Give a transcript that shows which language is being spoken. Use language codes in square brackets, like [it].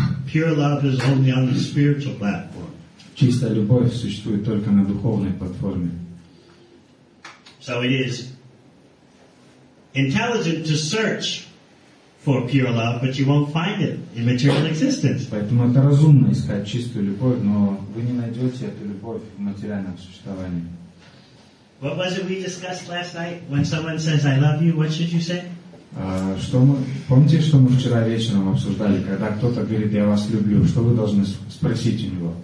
[en] Pure love is only on the spiritual platform. [ru] Чистая любовь существует только на духовной платформе. [en] So it is intelligent to search for pure love, but you won't find it in material existence. [ru] Поэтому это разумно искать чистую любовь, но вы не найдете эту любовь в материальном существовании. [en] What was it we discussed last night? When someone says "I love you," what should you say? [ru] Что мы помните, что мы вчера вечером обсуждали, когда кто-то говорит "Я вас люблю"? Что вы должны спросить у него?